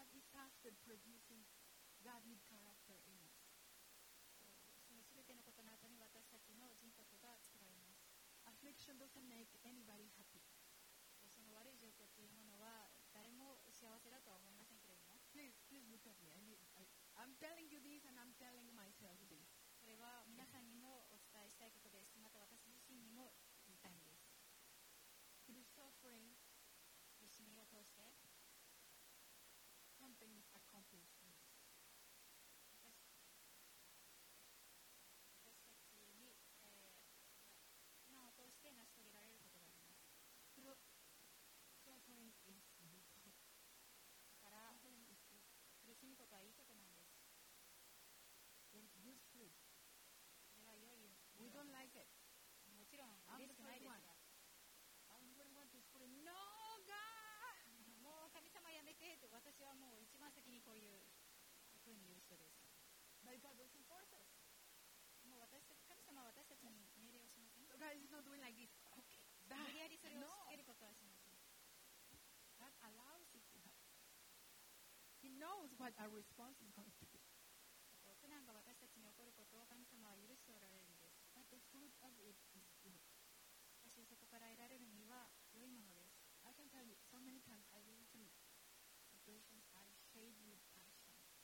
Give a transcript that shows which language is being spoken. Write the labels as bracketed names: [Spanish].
[English] God is tasked producing godly character in us. [Japanese] その全てのことの後に私たちの人格が作られます。 [English] Affliction doesn't make anybody happy. [Japanese] その悪い状況というものは誰も幸せだとは思いませんけれども。 [English] Please look at me. I'm telling you this and I'm telling myself this. [Japanese] それは皆さんにもお伝えしたいことです。また私自身にも言いたいんです。 [English] Through suffering, [Japanese] 苦しみを通して、 [English] something is accomplished in us. [Japanese] 私たちに、苦難を通して成し遂げられることがあります。 [English] Through suffering is good. [Japanese] だから、苦しむことはいいことなんです。 [English] It's useful. We don't like it. [Japanese] もちろん、嬉しくないですが。 [English] I'm the one to scream, No, God! [Japanese] もう神様やめてと、私はもう一番先にこういうふうに言う人です。 [English] But God doesn't force us. [Japanese] もう私たち、神様は私たちに命令をしません。 [English] So、God is not doing like this. Okay. [Japanese] 無理やりそれをつけることはしません。 [English] God allows it to happen. He knows what our response is going to be. [Japanese] 苦難が私たちに起こることを神様は許しておられるんです。 [English] But the fruit of it is good. [Japanese] 私そこから得られるには良いものです。 [English] I can tell you, so many times I've been through situations I hate with passion.